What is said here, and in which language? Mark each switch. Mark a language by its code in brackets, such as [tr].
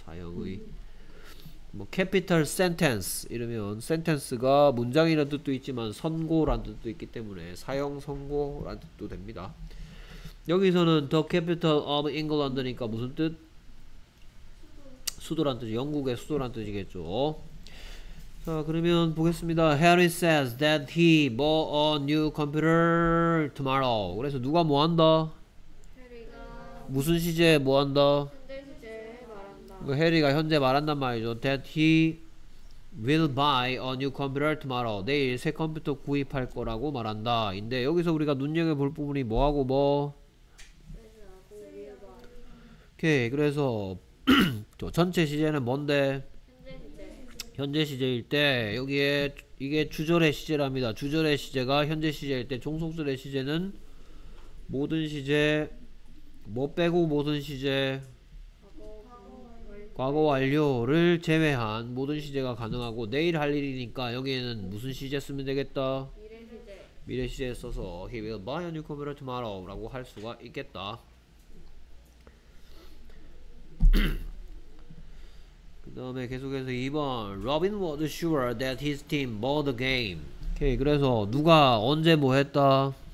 [ko] 사형의 뭐 캐피털 센텐스 이러면 센텐스가 문장이란 뜻도 있지만 선고란 뜻도 있기 때문에 사형 선고란 뜻도 됩니다. 여기서는 [en] The Capital of England [ko] 이니까 무슨 뜻? 수도란 뜻이, 영국의 수도란 뜻이겠죠. 자 그러면 보겠습니다. [en] Harry says that he bought a new computer tomorrow. [ko] 그래서 누가 뭐 한다? 무슨 시제에 뭐 한다? 해리가 현재 말한단 말이죠. [en] That he will buy a new computer tomorrow. [ko] 내일 새 컴퓨터 구입할 거라고 말한다. 인데 여기서 우리가 눈여겨볼 부분이 뭐하고 뭐? 오케이, 그래서 저 전체 시제는 뭔데? 현재 시제일 때 여기에 이게 주절의 시제랍니다. 주절의 시제가 현재 시제일 때 종속절의 시제는 모든 시제 뭐 빼고 모든 시제 과거 완료를 제외한 모든 시제가 가능하고 내일 할 일이니까 여기에는 무슨 시제 쓰면 되겠다? 미래 시제. 미래 시제 써서 [en] He will buy a new computer tomorrow [ko] 라고 할 수가 있겠다. 그 다음에 계속해서 [en] 2번 Robin was sure that his team bought the game. [ko] 오케이, 그래서 누가 언제 뭐 했다?